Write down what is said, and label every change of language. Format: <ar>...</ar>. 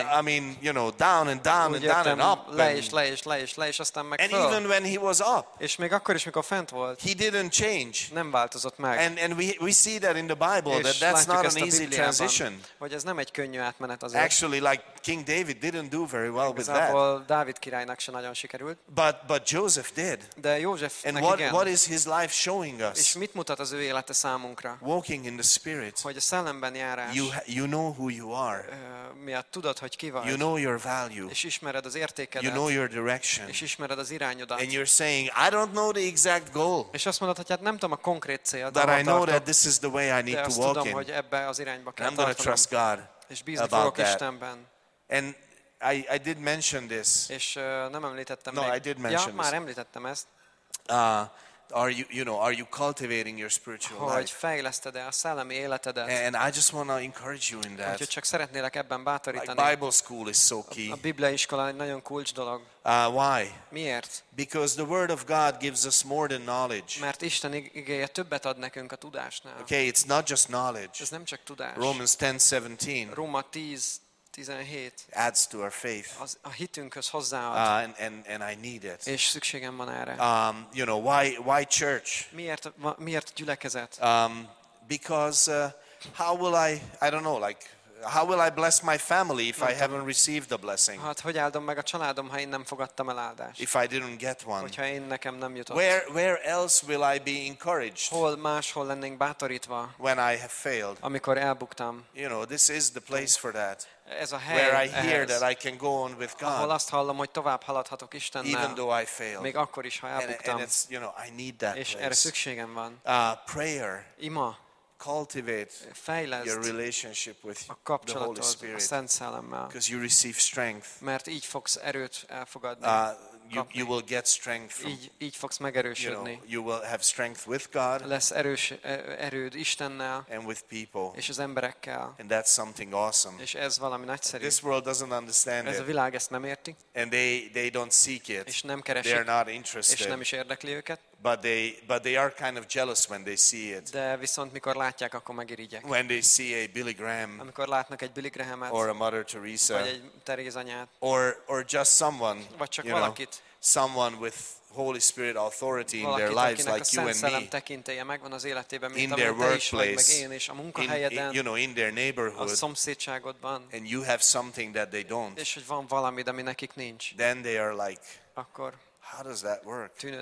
<en>I mean, you know, down and down and down and up.</en> <hu>Le is, aztán meg föl.</hu> <en>And even when he was up.</en> <hu>És még akkor is, mikor fent volt.</hu> <en>He didn't change.</en> <hu>Nem változott meg.</hu> <en>And we see that in the Bible that that's not an easy transition.</en> <hu>Hogy ez nem egy könnyű átmenet az.</hu> <en>Actually, like King David didn't do very well with that.</en> <hu>Dávid királynak se nagyon sikerült.</hu> <en>But Joseph did.</en> <hu>De József.</hu> <en>And what is his life showing us?</en> <hu>És mit mutat az ő élete számunkra?</hu> <en>Walking in the Spirit.</en> <hu>Hogy a szellemben járás.</hu> <en>You know who you are.</en> <hu>Miatt tudod, hogy ki vagy.</hu> <en>You know your value.</en> <hu>És ismered az értékedet.</hu> <en>You know your direction.</en> <hu>És ismered az irányodat.</hu> <en>And you're saying, I don't know the exact goal.</en> <hu>És azt mondod, hogy hát nem tudom a konkrét célt.</hu> <en>But I know that this is the way I need to walk in.</en> <hu>De azt tudom, hogy ebbe az irányba kell</hu> <en>tartanom. I'm gonna trust God.</en> <hu>És bízni fogok Istenben.</hu> <en>And I did mention this.</en> <hu>És nem említettem. No, még.</hu> <en>I did mention</en> <hu>ja,</hu> <en>this.</en> <hu>Ja, már említettem ezt.</hu> <en>Are you cultivating your spiritual life?</en> <hu>Hogy fejleszted-e a szellemi életedet?</hu> <en>And I just want to encourage you in that.</en> <hu>Úgyhogy csak szeretnélek ebben bátorítani.</hu> <en>Like Bible school is so key.</en> <hu>A Biblia iskola egy nagyon kulcs dolog.</hu> <en>Why?</en> <hu>Miért?</hu> <en>Because the word of God gives us more than knowledge.</en> <hu>Mert Isten igéje többet ad nekünk a tudásnál.</hu> <en>Okay, it's not just knowledge.</en> <hu>Ez nem csak tudás.</hu> <en>Romans 10:17.</en> <hu>Róma 10. 17</hu> <en>adds to our faith.</en> <hu>Az a hitünkhöz hozzáad.</hu> <en>And I need it.</en> <hu>És szükségem van erre.</hu> <en>You know, why church?</en> <hu>Miért gyülekezet?</hu> <en>Because how will I don't know, like how will I bless my family if I haven't received the blessing?</en> <hu>Hát hogy áldom meg a családom, ha én nem fogadtam el áldást?</hu> <en>If I didn't get one.</en> <hu>Hogyha én nekem nem jutott.</hu> <en>Where else will I be encouraged?</en> <hu>Hol máshol lennénk bátorítva?</hu> <en>When I have failed.</en> <hu>Amikor elbuktam.</hu> <en>You know, this is the place for that.</en> <hu>Ez a hely,</hu> <en>where I hear that I can go on with God.</en> <hu>Ahol azt hallom, hogy tovább haladhatok Istennel.</hu> <en>Even though I fail.</en> <hu>Még akkor is, ha elbuktam.</hu> <en>And it's, you know, I need that.</en> <hu>És erre szükségem van.</hu> <en>Prayer.</en> <hu>Ima.</hu> <en>Cultivate.</en> <hu>Fejleszd</hu> <en>your relationship with</en> <hu>a kapcsolatod</hu> <en>the Holy Spirit.</en> <hu>A Szent Szellemmel.</hu> <en>Because you receive strength.</en> <hu>Mert így fogsz erőt elfogadni.</hu> <en>You will get strength.</en> <hu>Így fogsz megerősödni.</hu> <en>You know, you will have strength with God.</en> <hu>Lesz erős erőd Istennel.</hu> <en>And with people.</en> <hu>És az emberekkel.</hu> <en>And that's something awesome.</en> <hu>És ez valami nagyszerű.</hu> <en>This world doesn't understand</en> <hu>ez</hu> <en>it.</en> <hu>Ez a világ ezt nem érti.</hu> <en>And they don't seek it.</en> <hu>És nem keresik.</hu> <en>They're not interested.</en> <hu>És nem is érdekli őket.</hu> <en>But they are kind of jealous when they see it.</en> <hu>De viszont mikor látják, akkor megirigyek.</hu> <en>When they see a Billy Graham.</en> <hu>Amikor látnak egy Billy Grahamet.</hu> <en>Or a Mother Teresa.</en> <hu>Vagy egy Teréz anyát.</hu> <en>Or just someone.</en> <hu>Vagy csak valakit.</hu> <en>Know, someone with Holy Spirit authority in their lives, like you and me, in their workplace, in their neighborhood, and you have something that they don't, then they are like, how does that work?</en>